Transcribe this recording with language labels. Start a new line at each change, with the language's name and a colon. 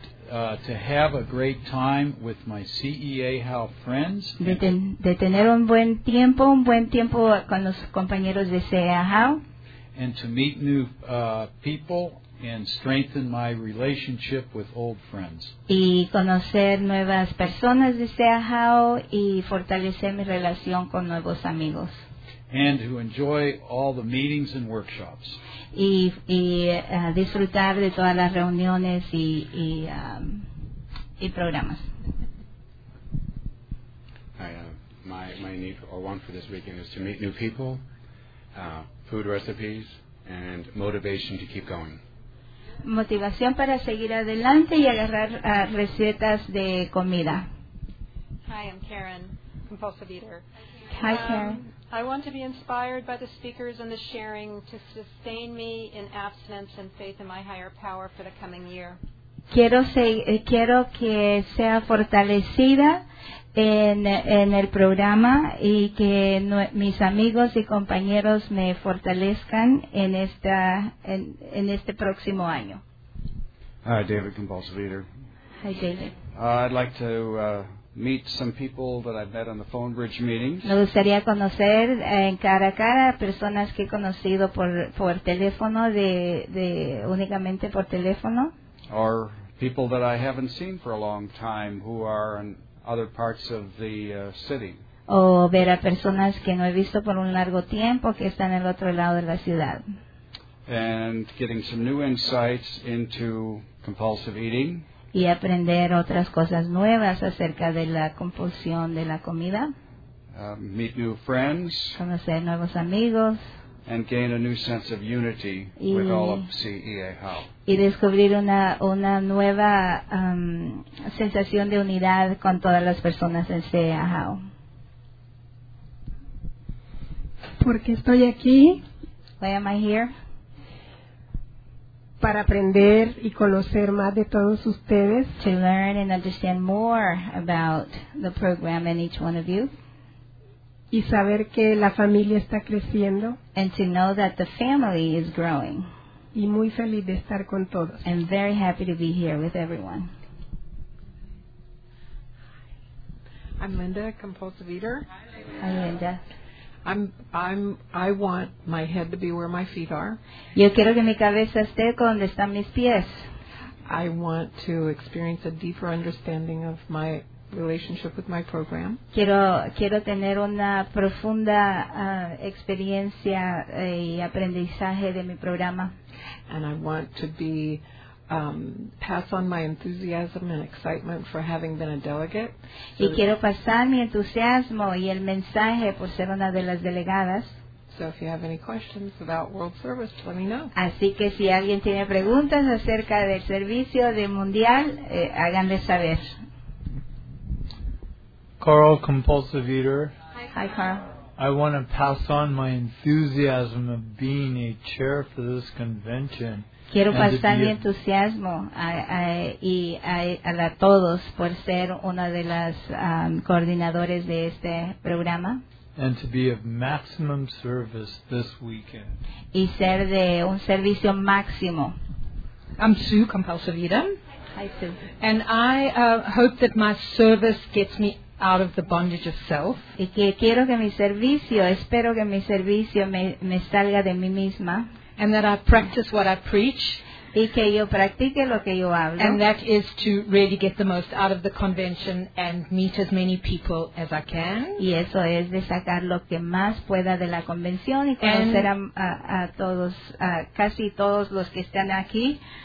English: To have a great time with my CEA HAL friends.
Spanish: De tener un buen tiempo con los compañeros de CEA HAL.
English: And to meet new people and strengthen my relationship with old friends.
Spanish: Y conocer nuevas personas de CEA HAL y fortalecer mi relación con nuevos amigos.
English: And to enjoy all the meetings and workshops.
Spanish: Y disfrutar de todas las reuniones y programas.
English: My need or want for this weekend is to meet new people, food recipes, and motivation to keep going.
Spanish: Motivación para seguir adelante y agarrar recetas de comida.
English: Hi, I'm Karen, compulsive eater. Hi, Karen. I want to be inspired by the speakers and the sharing to sustain me in abstinence and faith in my higher power for the coming year.
Spanish: Quiero que sea fortalecida en el programa y que mis amigos y compañeros me fortalezcan en este próximo año.
English: Hi, David, compulsive eater. Hi, David. I'd like to meet some people that I've met on the phone bridge meetings.
Spanish: Me gustaría conocer en cara a cara personas que he conocido por teléfono de únicamente por teléfono.
English: Or people that I haven't seen for a long time who are in other parts of the city.
Spanish: O ver a personas que no he visto por un largo tiempo que están en el otro lado de la ciudad.
English: And getting some new insights into compulsive eating.
Spanish: Y aprender otras cosas nuevas acerca de la compulsión de la comida.
English: Meet new friends.
Spanish: Conocer nuevos amigos.
English: And gain a new sense of unity with all of CEA HAL.
Spanish: Y descubrir una nueva sensación de unidad con todas las personas en CEA HAL. ¿Por qué estoy aquí?
English: Why am I here?
Spanish: Para aprender y conocer más de todos ustedes.
English: To learn and understand more about the program and each one of you.
Spanish: Y saber que la familia está creciendo.
English: And to know that the family is growing.
Spanish: Y muy feliz de estar con todos.
English: And very happy to be here with everyone. Hi. I'm Linda, compulsive eater. Hi, Linda. I want my head to be where my feet are.
Spanish: Yo quiero que mi cabeza esté donde están mis pies.
English: I want to experience a deeper understanding of my relationship with my program.
Spanish: Quiero tener una profunda experiencia y aprendizaje de mi programa.
English: And I want to be pass on my enthusiasm and excitement for having been a delegate.
Spanish: Y quiero pasar mi entusiasmo y el mensaje por ser una de las delegadas.
English: So if you have any questions about World Service, let me know.
Spanish: Así que si alguien tiene preguntas acerca del servicio de mundial, háganle saber.
English: Carl, compulsive eater. Hi, Carl. I want to pass on my enthusiasm of being a chair for this convention.
Spanish: Quiero pasar mi entusiasmo a todos por ser una de las coordinadores de este programa.
English: And to be of maximum service this weekend.
Spanish: Y ser de un servicio máximo.
English: I'm Sue, compulsive eater. Hi, Sue. And I hope that my service gets me out of the bondage of self.
Spanish: Y que quiero que mi servicio, espero que mi servicio me salga de mí misma.
English: And that I practice what I preach.
Spanish: Y que yo practique lo que yo hablo.
English: And that is to really get the most out of the convention and meet as many people as I can.
Spanish: Y eso es de sacar lo que más pueda de la convención y conocer a todos, a casi todos los que están aquí.